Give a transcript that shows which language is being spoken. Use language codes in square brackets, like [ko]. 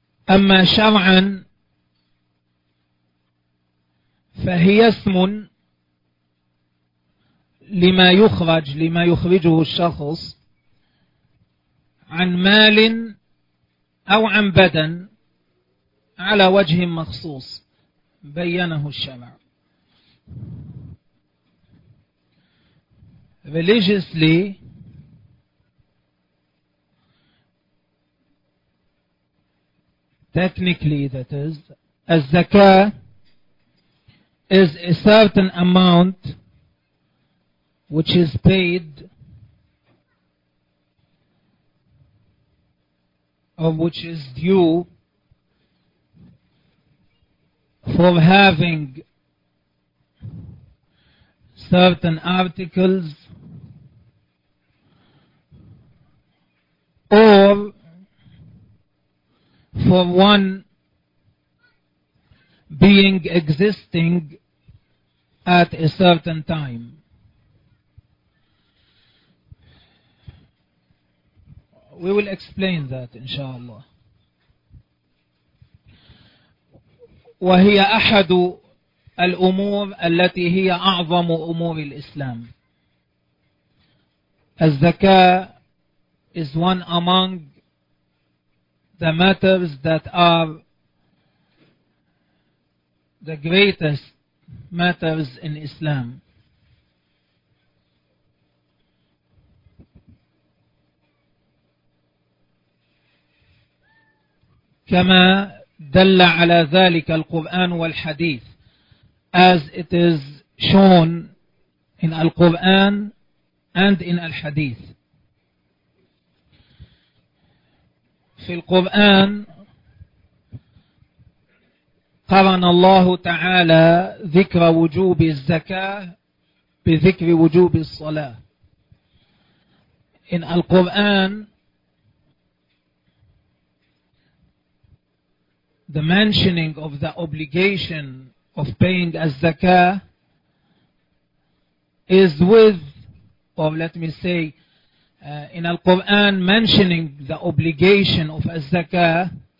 [ar] أما شرعا فهي اسم لما يخرج، لما يخرجه الشخص عن مال أو عن بدن على وجه مخصوص بينه الشرع. [en] Religiously, technically that is, الزكاه is a certain amount which is paid or which is due for having certain articles or for one being existing at a certain time. We will explain that إن شاء الله. [ar] وهي أحد الأمور التي هي أعظم أمور الإسلام. [en] الزكاة is one among the matters that are the greatest matters in Islam. [ar] كما دل على ذلك القرآن والحديث, [en] as it is shown in Al-Quran and in Al-Hadith. [ar] في القرآن قرن الله تعالى ذكر وجوب الزكاة بذكر وجوب الصلاة. [en] In Al-Quran, the mentioning of the obligation of paying az-zakah is with, or let me say, in Al-Quran, mentioning the obligation of az-zakah,